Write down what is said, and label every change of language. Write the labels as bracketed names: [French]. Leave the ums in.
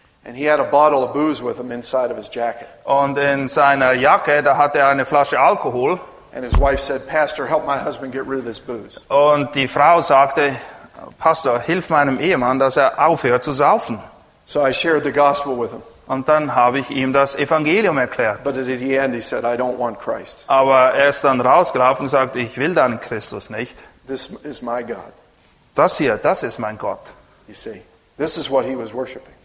[English] And he had a bottle of booze with him inside of his jacket. [German] Und in seiner Jacke, da hatte er eine Flasche Alkohol. [English] And his wife said, "Pastor, help my husband get rid of this booze." [German] Und die Frau sagte, "Pastor, hilf meinem Ehemann, dass er aufhört zu saufen." [English] So I shared the gospel with him. [German] Und dann habe ich ihm das Evangelium erklärt. [English] But at the end he said, "I don't want Christ." [German] Aber er ist dann rausgelaufen und sagte, "Ich will dann Christus nicht." [English] This is my God. [German] Das hier, das ist mein Gott. [English] You see, this is what he was worshiping.